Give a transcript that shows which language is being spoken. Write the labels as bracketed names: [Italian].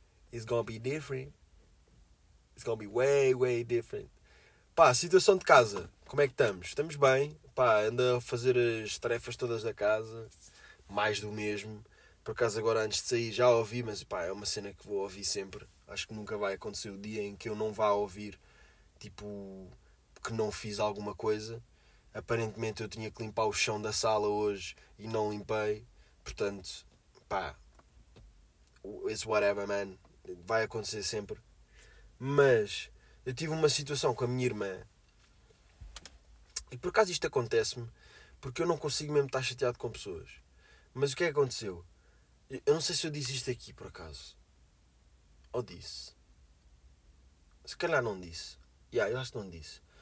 [English] It's gonna be way, way different. [Portuguese] Pá, situação de casa. Como é que estamos? Estamos bem. Pá, ando a fazer as tarefas todas da casa. Mais do mesmo. Por acaso agora antes de sair já ouvi, mas pá, é uma cena que vou ouvir sempre. Acho que nunca vai acontecer o dia em que eu não vá ouvir, tipo, que não fiz alguma coisa. Aparentemente eu tinha que limpar o chão da sala hoje e não limpei. Portanto, pá, [English] it's whatever, man. [Portuguese] Vai acontecer sempre. Mas eu tive uma situação com a minha irmã. E por acaso isto acontece-me porque eu não consigo mesmo estar chateado com pessoas. Mas o que é que aconteceu? Eu não sei se eu disse isto aqui por acaso. Ou disse. Se calhar não disse. Eu acho que não disse.